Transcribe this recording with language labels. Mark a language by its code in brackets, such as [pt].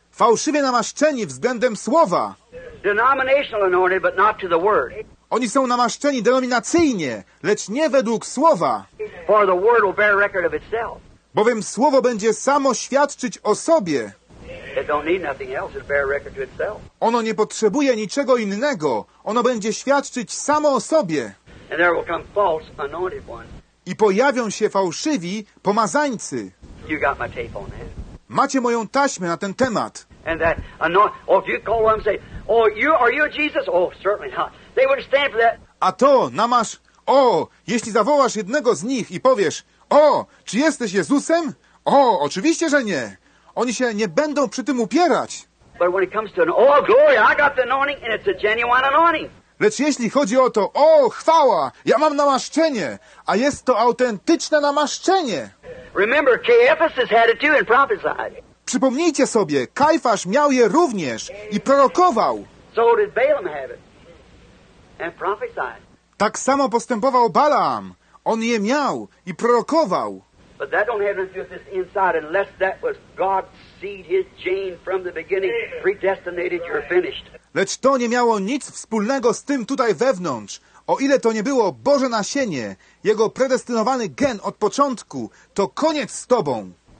[pl] Fałszywie namaszczeni względem Słowa. [en] Denominational anointed, but not to the word. [pl] Oni są namaszczeni denominacyjnie, lecz nie według Słowa. [en] For the word will bear record of itself. [pl] Bowiem Słowo będzie samo świadczyć o sobie. [en] It don't need nothing else. It'll bear record to itself. [pl] Ono nie potrzebuje niczego innego. Ono będzie świadczyć samo o sobie. [en] And there will come false anointed ones. [pl] I pojawią się fałszywi pomazańcy. [en] You got my tape on that. [pl] Macie moją taśmę na ten temat. [en] And that anointed, if you call them and say, oh, are you Jesus? Oh, certainly not. They wouldn't stand for that. [pl] A to namasz, o, jeśli zawołasz jednego z nich i powiesz, o, czy jesteś Jezusem? O, oczywiście, że nie. Oni się nie będą przy tym upierać. [en] But when it comes to an all glory, I got the anointing and it's a genuine anointing. [pl] Lecz jeśli chodzi o to, o chwała, ja mam namaszczenie, a jest to autentyczne namaszczenie. [en] Remember, Caiaphas has had it too and prophesied. [pl] Przypomnijcie sobie, Kajfasz miał je również i prorokował. [en] So did Balaam have it and prophesied. [pl] Tak samo postępował Balaam. On je miał i prorokował. [en] But that don't have anything to do with this inside unless that was God's seed, his gene from the beginning, predestinated, you're finished. [pl] Lecz to nie miało nic wspólnego z tym tutaj wewnątrz. O ile to nie było Boże nasienie, jego predestynowany gen od początku, to koniec z tobą.